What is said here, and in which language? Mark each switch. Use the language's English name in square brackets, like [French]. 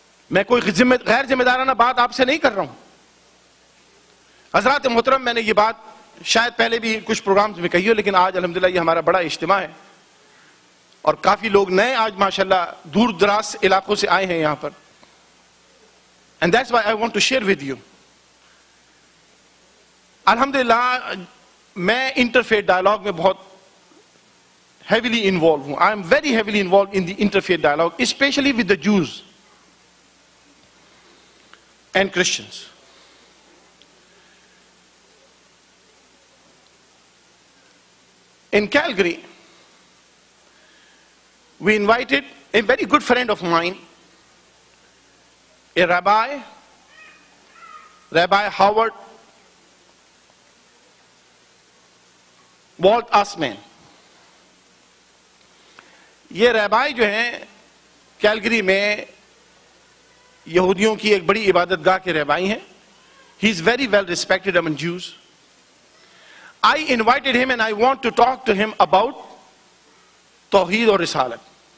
[Urdu] میں کوئی غیر ذمہ دارانہ بات آپ سے نہیں کر رہا ہوں. حضرات محترم, میں نے یہ بات شاید پہلے بھی کچھ پروگرامز میں کہی ہو, لیکن آج الحمدللہ یہ ہمارا بڑا اجتماع ہے اور کافی لوگ نئے آج ماشاءاللہ دور دراز علاقوں سے آئے ہیں یہاں پر, [English] And that's why I want to share with you. [Urdu] الحمدللہ میں انٹر فیتھ ڈائلاگ میں بہت ہیویلی انوالو ہوں. [English] I am very heavily involved in the interfaith dialogue, especially with the Jews and Christians. In Calgary, we invited a very good friend of mine, a rabbi, Rabbi Howard Walt Usman. [Urdu] Ye rabbi jo hain, Calgary میں یہودیوں کی ایک بڑی عبادت گاہ کے رہبائی ہیں. [English] He is very well respected among Jews. I invited him and I want to talk to him about توحید اور رسالت.